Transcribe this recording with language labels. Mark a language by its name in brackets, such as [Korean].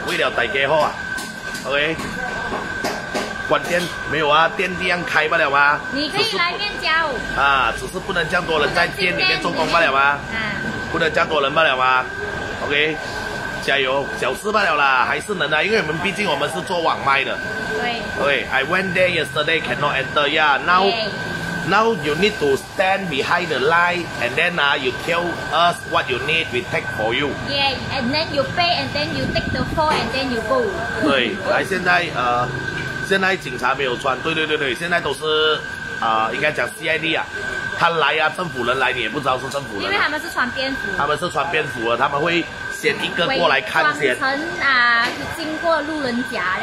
[Chinese] 为了大家好啊。OK。 关店没有啊？店这样开不了吗？你可以来面交。啊，只是不能这样多人在店里面做工不了吗？啊。不能这样多人不了吗 ？OK。加油，小事不了啦，还是能啊，因为我们毕竟我们是做网卖的。对。 [English] OK，I went there yesterday, cannot enter. Yeah, now. Now you need to stand behind the line and then you tell us what you need, we take for you. Yeah, and then you pay and then you take the phone and then you go. [Chinese] 对，来现在现在警察没有穿，对，现在都是应该讲 CID 啊，他来啊，政府人来你也不知道是政府人、啊。因为他们是穿蝙蝠。他们是穿蝙蝠的，他们会先一个过来看先。伪装成经过路人甲。